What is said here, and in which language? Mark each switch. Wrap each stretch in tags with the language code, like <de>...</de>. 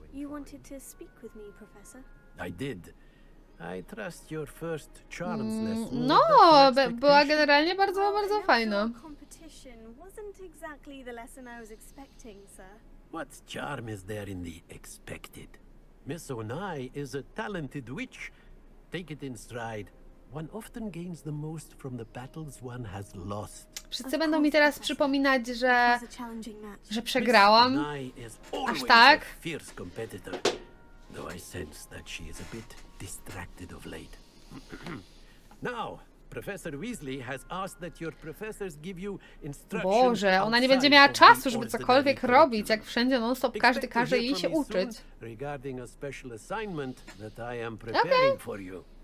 <en>You wanted to speak with me, professor? I did. I trust your first charmlessness.</en> <pl>No, była generalnie bardzo, bardzo fajna.</pl> <en>Competition wasn't exactly the lesson I was expecting, sir. What charm is there in the expected? Miss Onai is a talented witch. Take it in stride. One often gains the most from the battles one has lost.</en> <pl>Wszyscy będą mi teraz przypominać, że przegrałam. Aż tak?</pl> <en>Fierce competitor. Though I sense that she is a bit distracted of late. Now, Professor Weasley has asked that your professors give you instructions.</en> <pl>Boże, ona nie będzie miała czasu, żeby cokolwiek robić, jak wszędzie non stop każdy każe jej się uczyć.</pl> <en>Regarding a special assignment that I am preparing for you.</en>